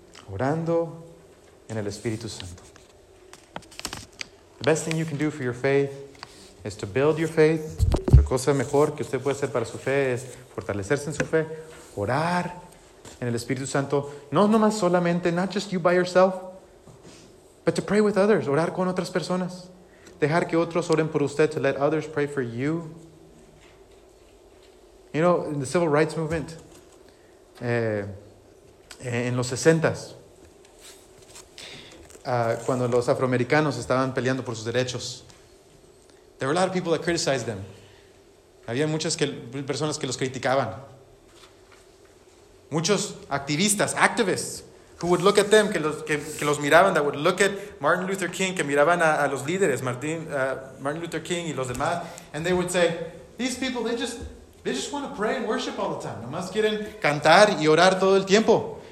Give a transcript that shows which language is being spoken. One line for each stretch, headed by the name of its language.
Spanish: Orando en el Espíritu Santo.
English: The best thing you can do for your faith is to build your faith.
Spanish: La cosa mejor que usted puede hacer para su fe es fortalecerse en su fe, orar en el Espíritu Santo. No nomás solamente,
English: not just you by yourself, but to pray with others,
Spanish: orar con otras personas. Dejar que otros oren por usted,
English: to let others pray for you. You know, in the civil rights movement,
Spanish: en los 60s, cuando los afroamericanos estaban peleando por sus derechos,
English: there were a lot of people that criticized them.
Spanish: Había muchas personas que los criticaban. Muchos activistas,
English: activists, who would look at them,
Spanish: que los miraban,
English: that would look at Martin Luther King,
Spanish: que miraban a los líderes, Martin Luther King y los demás,
English: and they would say, these people, they just want to pray and worship all the time.
Spanish: Nomás quieren cantar y orar todo el tiempo.